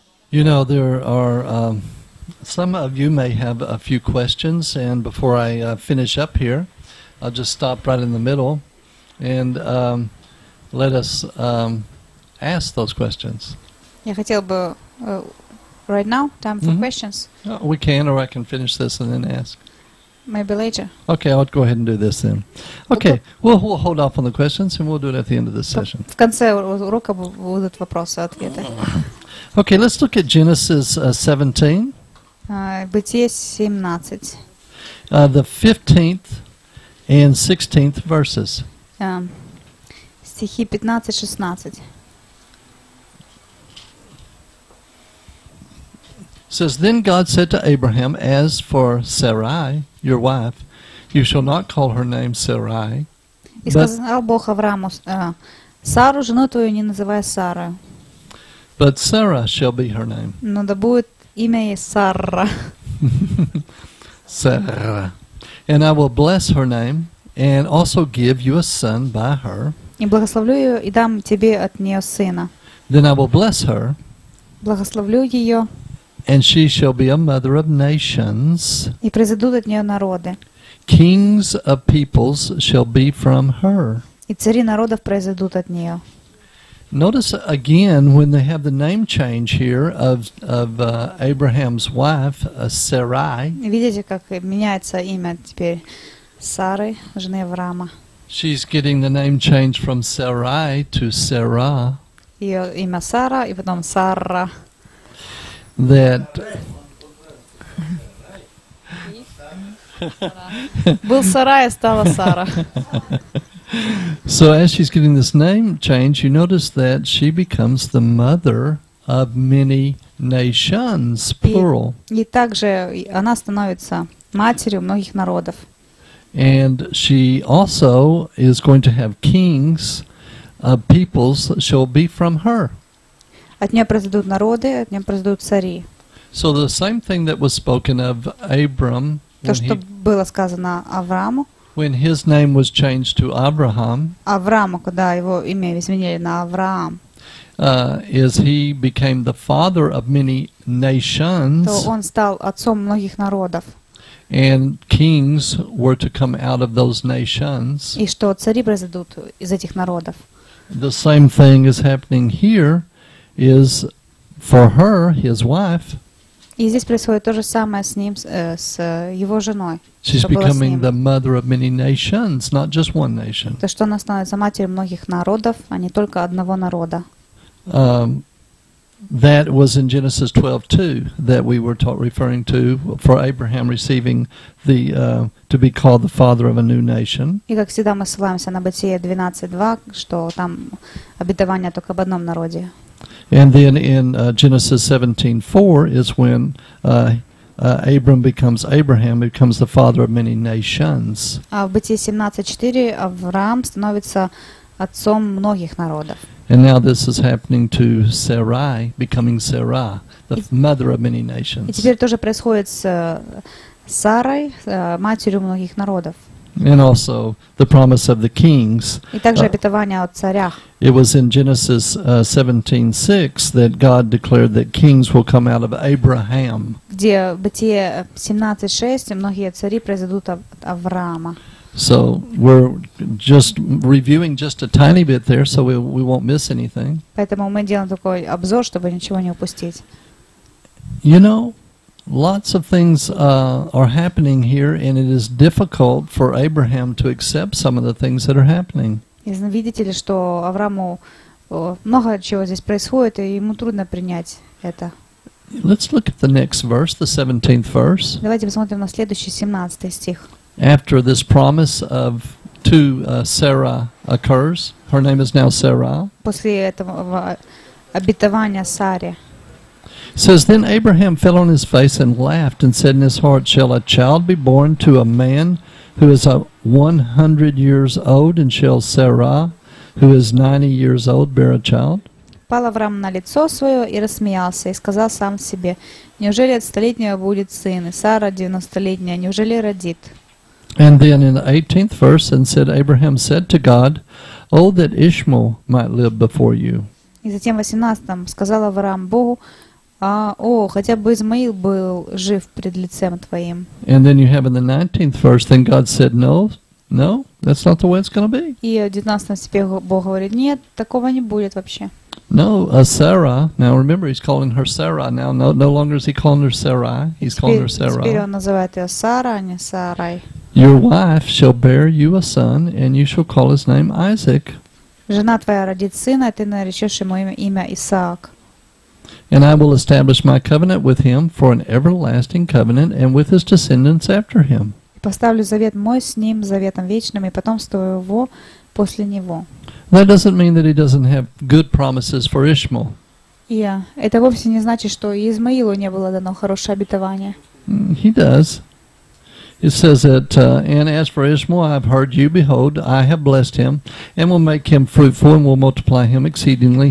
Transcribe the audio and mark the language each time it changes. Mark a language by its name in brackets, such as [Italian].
[English] You know, there are some of you may have a few questions, and before I finish up here, I'll just stop right in the middle and let us ask those questions. [Russian] Я хотел бы [English] right now, time for questions. Oh, we can, or I can finish this and then ask. Maybe later. Okay, I'll go ahead and do this then. Okay, we'll hold off on the questions and we'll do it at the end of the session. [Russian] В конце урока будут вопросы-ответы. [English] Okay, let's look at Genesis 17. [Russian] Бытие 17. [English] The 15th and 16th verses. [Russian] Стихи 15-16. [English] Says, then God said to Abraham, as for Sarai, your wife, you shall not call her name Sarai. [Russian] И сказал Бог Аврааму, Сару, жену твою, не называй Сарой. [English] But Sarah shall be her name. [Russian] Но да будет имя ей Сара. Сара. [English] And I will bless her name and also give you a son by her. [Russian] И благословлю ее и дам тебе от нее сына. [English] Then I will bless her. [Russian] Благословлю ее. [English] And she shall be a mother of nations. [Russian] И произойдут от нее народы. [English] Kings of peoples shall be from her. [Russian] И цари народов произойдут от нее. [English] Notice again when they have the name change here of Abraham's wife, Sarai. [Russian] Видите, как меняется имя теперь Сары, жены Авраама. [English] She's getting the name change from Sarai to Sarah. [Russian] Ее имя Сара и потом Сара. [English] That [Russian] был Сарай, стала Сара. [English] So as she's getting this name change, you notice that she becomes the mother of many nations, plural. [Russian] И также она становится матерью многих народов. [English] And she also is going to have kings of peoples shall be from her. [Russian] От нее произойдут народы, от нее произойдут цари. [English] So the same thing that was spoken of Abram, [Russian] то, что было сказано Аврааму, [English] when his name was changed to Abraham, [Russian] Аврааму, когда его имя изменили на Авраам, [English] is he became the father of many nations, [Russian] то он стал отцом многих народов, [English] and kings were to come out of those nations, [Russian] и что цари произойдут из этих народов. [English] The same thing is happening here, is for her, his wife. [Russian] И здесь происходит то же самое с ним, с его женой. [English] She's becoming the mother of many nations, not just one nation. [Russian] То, что она становится матерью многих народов, а не только одного народа. [English] That was in Genesis 12:2 that we were referring to for Abraham receiving the to be called the father of a new nation. [Russian] И как всегда мы ссылаемся на Бытие 12:2, что там обетование только об одном народе. [English] And then in Genesis 17:4 is when Abram becomes Abraham, becomes the father of many nations. [Russian] А в Бытие 17:4 Авраам становится отцом многих народов. [English] And now this is happening to Sarai, becoming Sarah, the mother of many nations. [Russian] И теперь тоже происходит с Сарой, матерью многих народов. [English] And also the promise of the kings. [Russian] И также обетование о царях. [English] It was in Genesis 17:6 that God declared that kings will come out of Abraham. [Russian] Где Бытие 17:6 многие цари произойдут от Авраама. [English] So we're just reviewing just a tiny bit there, so we won't miss anything. [Russian] Поэтому мы делаем такой обзор, чтобы ничего не упустить. [English] You know, lots of things are happening here, and it is difficult for Abraham to accept some of the things that are happening. [Russian] Видите ли, что Аврааму много чего здесь происходит, и ему трудно принять это. [English] Let's look at the next verse, the 17th verse. [Russian] Давайте посмотрим на следующий 17 стих. [English] After this promise of to Sarah occurs, her name is now Sarah. [Russian] После этого обетования Саре. [English] Says, then Abraham fell on his face and laughed and said in his heart, shall a child be born to a man who is 100 years old, and shall Sarah, who is 90 years old, bear a child? [Russian] Пал Авраам на лицо свое и рассмеялся, и сказал сам себе, неужели от столетнего будет сын, и Сара 90-летняя, неужели родит? [English] And then in the 18th verse, and said, Abraham said to God, oh, that Ishmael might live before you. [Russian] И затем в 18-м сказал Авраам Богу, хотя бы Измаил был жив пред лицем твоим. [English] And then you have in the 19th verse, then God said, no, that's not the way it's going to be. [Russian] И в 19 стихе Бог говорит, нет, такого не будет вообще. [English] No, Sarah. Now remember, he's calling her Sarah. Now, no longer is he calling her Sarah. He's calling her Sarah. [Russian] Теперь он называет ее Сара, а не Сарай. [English] Your wife shall bear you a son, and you shall call his name Isaac. [Russian] Жена твоя родит сына, и ты наречешь ему имя Исаак. [English] And I will establish my covenant with him for an everlasting covenant, and with his descendants after him. [Russian] Поставлю завет мой с ним заветом вечным и потомство его после него. [English] That doesn't mean that he doesn't have good promises for Ishmael. [Russian] Yeah, это вовсе не значит, что Измаилу не было дано хорошее обетование. [English] He does. It says that, and as for Ishmael, I have heard you. Behold, I have blessed him, and will make him fruitful, and will multiply him exceedingly.